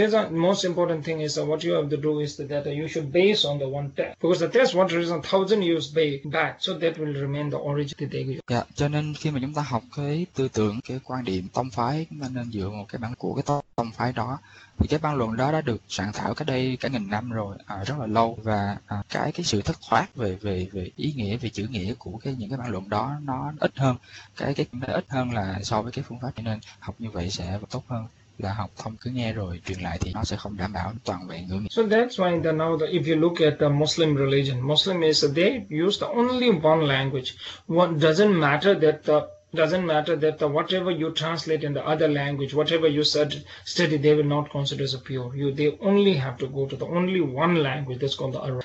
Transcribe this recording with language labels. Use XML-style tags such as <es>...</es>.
<en>Most important thing is that what you have to do is that you should base on the one text because the text one reason 1000 years back, so that will remain the origin today.</en> <vi>Dạ, cho nên khi mà chúng ta học cái tư tưởng, cái quan điểm tông phái, chúng ta nên dựa vào cái bản của cái tông phái đó, Thì cái băng luận đó đã được soạn thảo cách đây cả nghìn năm rồi, rất là lâu. Và cái sự thất thoát về về về ý nghĩa, về chữ nghĩa của cái những cái băng luận đó nó ít hơn, cái nó ít hơn là so với cái phương pháp, cho nên học như vậy sẽ tốt hơn là học không cứ nghe rồi truyền lại, thì nó sẽ không đảm bảo toàn vẹn ngữ nghĩa.</vi> <en>So that's why the, now the, if you look at the Muslim religion, Muslim is they use the only one language. One doesn't matter that the doesn't matter that the, whatever you translate in the other language, whatever you study, they will not consider as a pure. You, they only have to go to the only one language, that's called the Arab.</en>